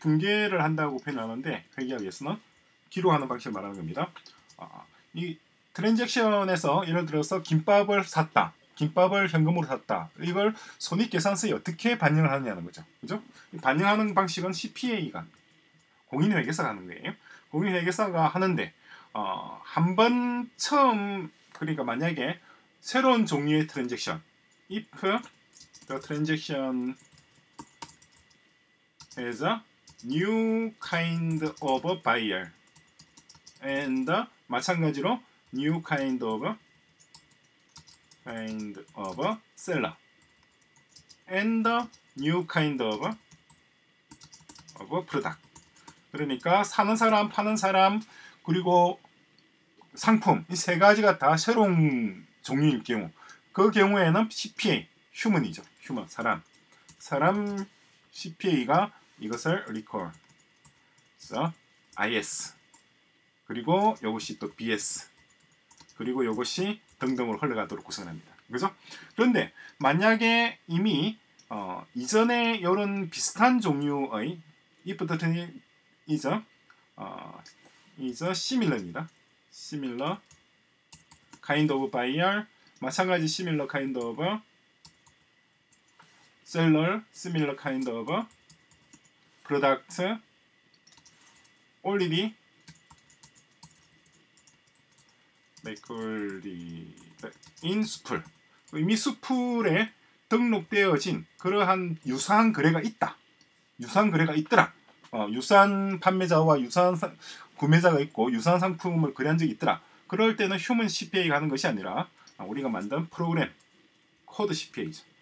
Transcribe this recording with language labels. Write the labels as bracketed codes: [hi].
[ko] 분괴를 한다고 표현하는데 회귀하기 위해서는 기록하는 방식을 말하는 겁니다. 이 트랜잭션에서 예를 들어서 김밥을 샀다. 김밥을 현금으로 샀다. 이걸 손익계산서에 어떻게 반영을 하느냐는 거죠. 그죠? 반영하는 방식은 CPA가 공인회계사가 하는 거예요. 공인회계사가 하는데 한 번 처음, 그러니까 만약에 새로운 종류의 트랜잭션, [en] if the transaction has a new kind of buyer and [ko] 마찬가지로 [en] new kind of kind of seller and new kind of product. [ko] 그러니까 사는 사람, 파는 사람, 그리고 상품, 이 세 가지가 다 새로운 종류일 경우, 그 경우에는 CPA, human이죠. human, 사람. 사람 CPA가 이것을 recall. So, IS. 그리고 이것이 또 BS. 그리고 이것이 등등으로 흘러가도록 구성합니다. 그죠? 그런데 만약에 이미 이전에 이런 비슷한 종류의 [en] if the transaction is a similar [ko] 입니다. [en] similar kind of buyer, [ko] 마찬가지 [en] similar kind of seller, similar kind of product already recorded in spool. [ko] 이미 스풀에 등록되어진 그러한 유사한 거래가 있다. 유사한 거래가 있더라. 유사한 판매자와 유사한 구매자가 있고 유사한 상품을 거래한 적이 있더라. 그럴 때는 휴먼 CPA가 하는 것이 아니라 우리가 만든 프로그램, 코드 CPA죠.